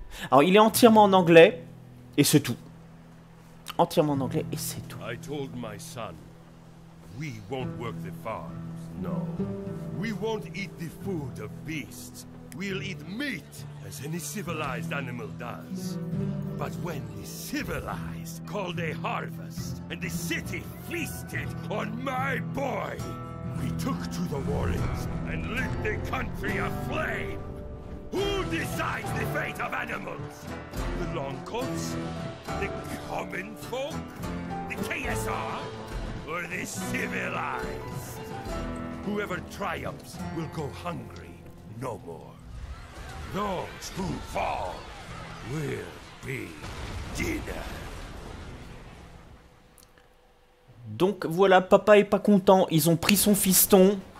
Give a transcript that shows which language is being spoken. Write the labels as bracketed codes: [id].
[fr] Alors il est entièrement en anglais, et c'est tout. Entièrement en anglais, et c'est tout. [en] I told my son, we won't work the farms, no. We won't eat the food of beasts. We'll eat meat, as any civilized animal does. But when the civilized called a harvest, and the city feasted on my boy, we took to the warrens and lit the country aflame. Who decides the fate of animals? The long coats? The common folk? The KSR? Or the civilized? Whoever triumphs will go hungry no more. Those who fall will be dead. [fr] Donc voilà, papa est pas content, ils ont pris son fiston.